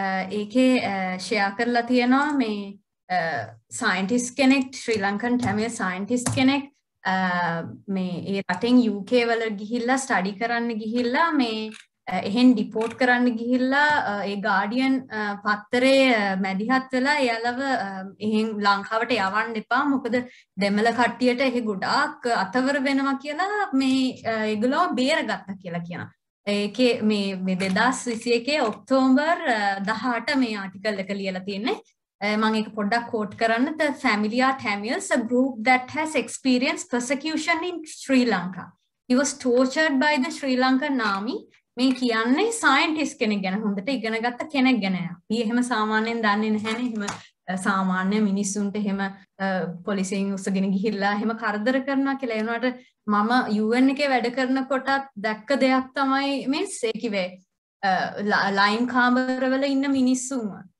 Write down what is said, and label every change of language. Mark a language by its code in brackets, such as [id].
[si] ඒකේ ෂෙයා කරලා තියෙනවා මේ සයන්ටිස්ට් කෙනෙක් ශ්‍රී ලංකන් ටැමිල් සයන්ටිස්ට් කෙනෙක් මේ ඒ රටෙන් UK වල ගිහිල්ලා ස්ටඩි කරන්න ගිහිල්ලා මේ එහෙන් ඩිපෝට් කරන්න ගිහිල්ලා ඒ ගාඩියන් පත්තරේ මැදිහත් වෙලා එයාලව එහෙන් ලංකාවට යවන්න එපා මොකද දෙමළ කට්ටියට එහි ගොඩාක් අතවර වෙනවා කියලා මේ ඒගොල්ලෝ බේරගත්ත කියලා කියන. ඒකේ මේ 2021 ඔක්තෝබර් 18 මේ ආටිකල් එක ලියලා තියෙන්නේ. මම ඒක පොඩ්ඩක් කෝට් කරන්න. [en] The family of Tamils, a group that has experienced persecution in Sri Lanka. He was tortured by the Sri Lankan army. [si] මේ කියන්නේ සයන්ටිස්ට් කෙනෙක් ගැන, හොඳට ඉගෙන ගත්ත කෙනෙක් ගැන. අපි එහෙම සාමාන්‍යයෙන් දන්නේ නැහැනේ. එහෙම සාමාන්‍ය මිනිස්සුන්ට එහෙම පොලිසියෙන් උස්සගෙන ගිහිල්ලා එහෙම කරදර කරනවා කියලා. ඒනකොට මම UN එකේ වැඩ කරනකොටත් දැක්ක දෙයක් තමයි මේ සේකිවේ ලයින් කාමරවල ඉන්න මිනිස්සුන්ව.